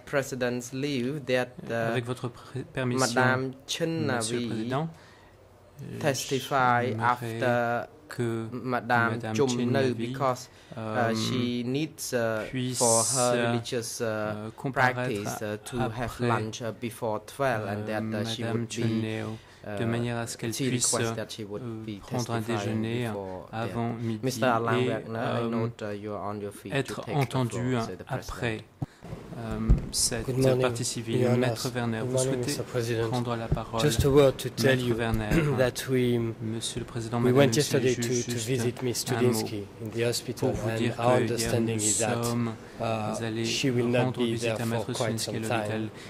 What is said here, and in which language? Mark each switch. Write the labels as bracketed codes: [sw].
[en] President's leave, that Madame Chhin testify after Madame Chum, because she needs for her religious practice to have lunch before 12, and that she would be [fr] de manière à ce qu'elle puisse prendre un déjeuner avant midi et être entendue après. cette partie civile. Maître Werner, vous souhaitez prendre la parole. [en] Just a word to tell you that we, [fr] Monsieur le Président, Madame, [en] we went yesterday to visit Miss Studinski in the hospital, and our understanding is that she will not be there for quite some time.